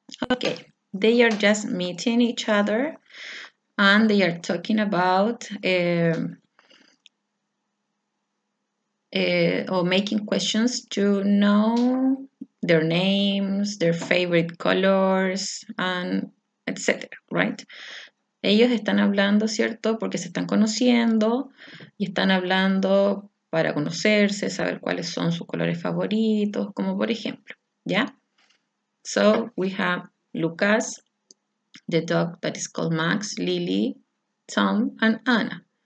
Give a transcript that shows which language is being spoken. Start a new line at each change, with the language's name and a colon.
English: Okay, they are just meeting each other and they are talking about or making questions to know their names, their favorite colors, and etc., right?
Spanish: Ellos están hablando, ¿cierto? Porque se están conociendo y están hablando para conocerse, saber cuáles son sus colores favoritos, como por ejemplo, ¿ya?
English: So, we have Lucas, the dog that is called Max, Lily, Tom, and Anna.